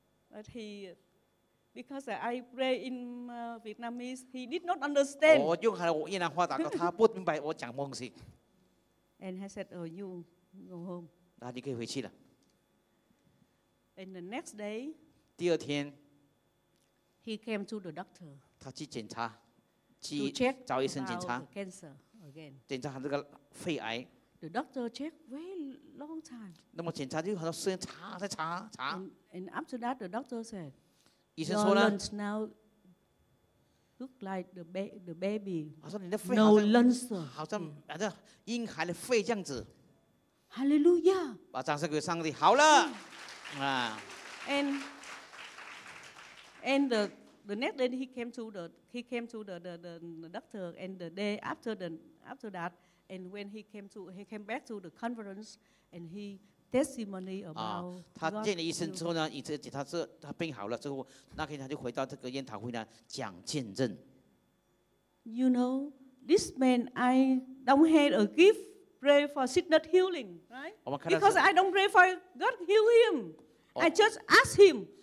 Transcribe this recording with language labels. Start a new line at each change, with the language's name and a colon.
English: But he, because I pray in Vietnamese, he did not understand.
Chinese: 我用他的越南话祷告，他不明白我讲什么东西。
English: And I said, "Oh, you go home."
Chinese: 那你可以回去了。
English: And the next day,
Chinese: 第二天。
English: He came to the doctor.
Chinese: 他去检查,
English: to check about the cancer again.
Chinese: 检查他这个肺癌。
English: The doctor checked very long time.
Chinese: 那么检查就很多时间查。
English: And after that, the doctor said,
Chinese: 医生说呢,
English: your lungs now look like the baby.
Chinese: 他说你的肺好像,
English: no lungs.
Chinese: 好像婴孩的肺这样子。
English: Hallelujah.
Chinese: 把掌声给上帝。好了。
English: And the next day he came to the doctor, and the day after that, and when he came back to the conference, and he testimony about.
Chinese: 他见了医生之后呢，医生检查是他病好了之后，那天他就回到这个研讨会呢讲见证。
English: You know, this man, I don't have a gift pray for sickness healing, right? Because I don't pray for God heal him, I just ask him.